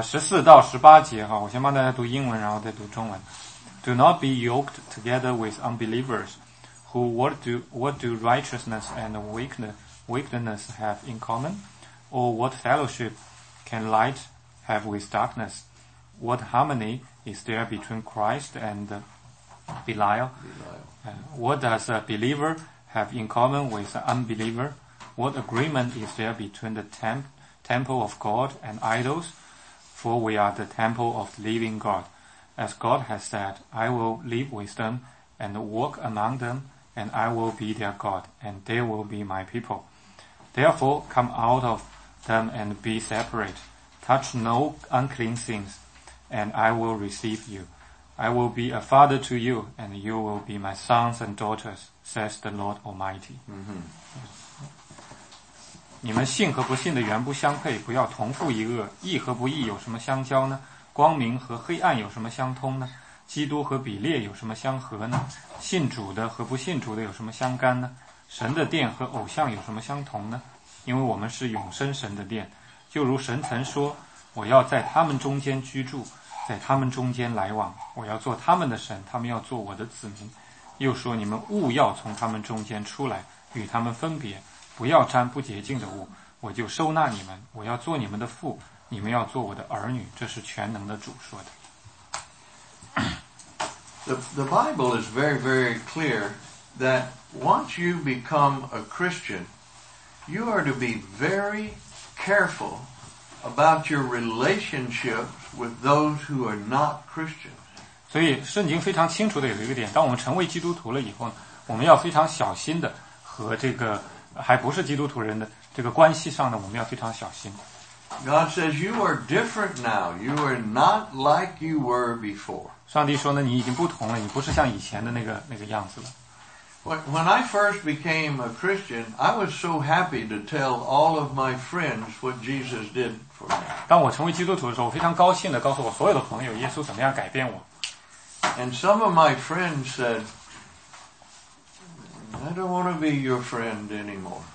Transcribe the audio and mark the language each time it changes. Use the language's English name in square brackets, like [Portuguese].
[Chinese] 14到十八节哈，我先帮大家读英文，然后再读中文。 [English] Do not be yoked together with unbelievers, who what do righteousness and wickedness have in common? Or what fellowship can light have with darkness? What harmony is there between Christ and Belial? What does a believer have in common with an unbeliever? What agreement is there between the temple of God and idols? For we are the temple of the living God. As God has said, I will live with them and walk among them, and I will be their God, and they will be my people. Therefore, come out of them and be separate. Touch no unclean things, and I will receive you. I will be a father to you, and you will be my sons and daughters, says the Lord Almighty. 嗯、 [Chinese] 你们信和不信的原不相配，不要同父一轭。义和不义有什么相交呢？光明和黑暗有什么相通呢？基督和比列有什么相合呢？信主的和不信主的有什么相干呢？神的殿和偶像有什么相同呢？因为我们是永生神的殿，就如神曾说，我要在他们中间居住，在他们中间来往，我要做他们的神，他们要做我的子民。又说，你们务要从他们中间出来，与他们分别，不要沾不洁净的物，我就收纳你们，我要做你们的父，你们要做我的儿女。这是全能的主说的。 [English] The Bible is very very clear that once you become a ChristianYou are to be very careful about your relationships with those who are not Christians. [Chinese] 所以圣经非常清楚的有一个点，当我们成为基督徒了以后，我们要非常小心的和这个还不是基督徒人的这个关系上呢，我们要非常小心。 [English] God says you are different now. You are not like you were before. [Chinese] 上帝说呢，你已经不同了，你不是像以前的那个样子了。 [English] When I first became a Christian, I was so happy to tell all of my friends what Jesus did for me. [Chinese] 当我成为基督徒的时候，我非常高兴地告诉我所有的朋友耶稣怎么样改变我。 [English] And some of my friends said, I don't want to be your friend anymore.